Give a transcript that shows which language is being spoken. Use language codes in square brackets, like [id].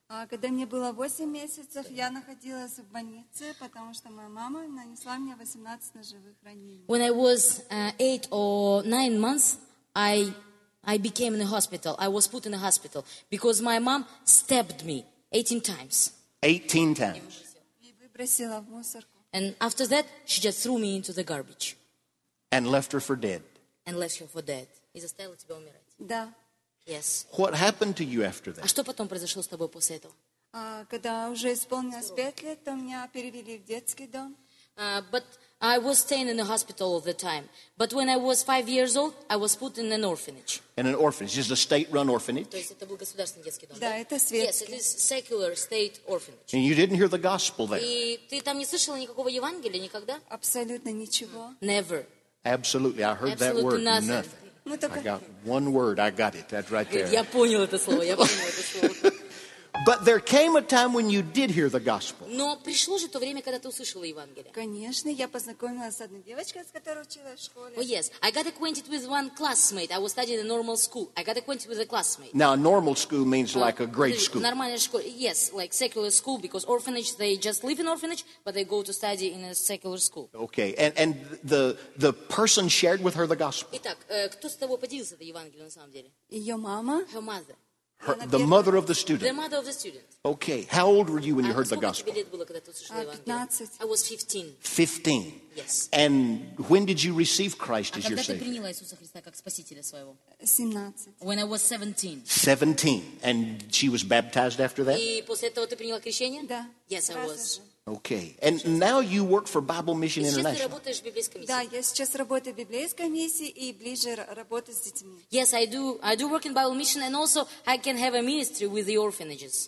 [ru] Когда мне было 8 месяцев, я находилась в больнице, потому что моя мама нанесла мне 18 ножевых ранений. [en] When I was 8 or 9 months, I became in a hospital. I was put in a hospital because my mom stabbed me 18 times. 18 times. [ru] И выбросила в мусорку. [en] And after that, she just threw me into the garbage. And left her for dead. And left her for dead. [ru] И заставила тебя умирать. Да. [en] Yes. What happened to you after that? [ru] А что потом произошло с тобой после этого? Когда уже исполнилось 5 лет, то меня перевели в детский дом. [en] But I was staying in the hospital all the time. But when I was 5 years old, I was put in an orphanage. In an orphanage, just a state-run orphanage? [ru] То есть это был государственный детский дом. Да, это светский. [en] Yes, it is secular state orphanage. And you didn't hear the gospel there? [ru] И ты там не слышала никакого Евангелия никогда? Абсолютно ничего. [en] Never. Absolutely, I heard Absolutely that word. Nothing. Nothing. I got one word. I got it. That's right there. [ru] Я понял это слово. Я понял это слово. [en] But there came a time when you did hear the gospel. [ru] Но пришло же то время, когда ты услышала Евангелие. Конечно, я познакомилась с одной девочкой, с которой училась в школе. [en] Oh yes, I got acquainted with one classmate. I was studying in a normal school. I got acquainted with a classmate. Now, normal school means like a grade school. [ru] Нормальная школа. [en] Yes, like secular school, because orphanage, they just live in orphanage, but they go to study in a secular school. Okay, and the person shared with her the gospel. [ru] Итак, кто с тобой поделился этой Евангелием на самом деле? Ее мама. [en] Her mother. Her, the mother of the student. The mother of the student. Okay. How old were you when you heard the gospel? I was 15. 15. Yes. And when did you receive Christ as your Savior? [ru] Когда ты приняла Иисуса Христа как Спасителя своего? 17. [en] When I was 17. 17. And she was baptized after that? [ru] И после этого ты приняла крещение? Да. [en] Yes, I was. Okay. And now you work for Bible Mission International. [ru] Да, я сейчас работаю в библейской миссии и ближе работаю с детьми. [en] Yes, I do. I do work in Bible Mission and also I can have a ministry with the orphanages.